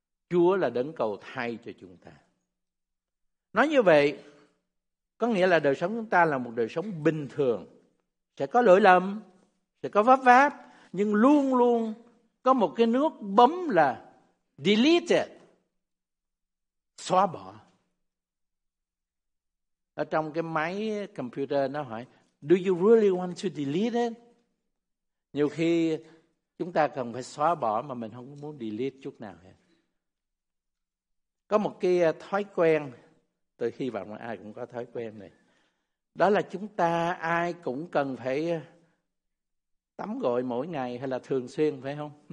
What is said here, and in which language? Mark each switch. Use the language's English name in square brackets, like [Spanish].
[Vietnamese] Chúa là đấng cầu thay cho chúng ta. Nói như vậy có nghĩa là đời sống chúng ta là một đời sống bình thường, sẽ có lỗi lầm, sẽ có vấp váp, nhưng luôn luôn có một cái nước bấm là deleted, xóa bỏ. Ở trong cái máy computer nó hỏi, [English] do you really want to delete it? [Vietnamese] Nhiều khi chúng ta cần phải xóa bỏ mà mình không muốn delete chút nào hết. Có một cái thói quen, Tôi hy vọng là ai cũng có thói quen này. Đó là chúng ta ai cũng cần phải tắm gội mỗi ngày hay là thường xuyên, phải không?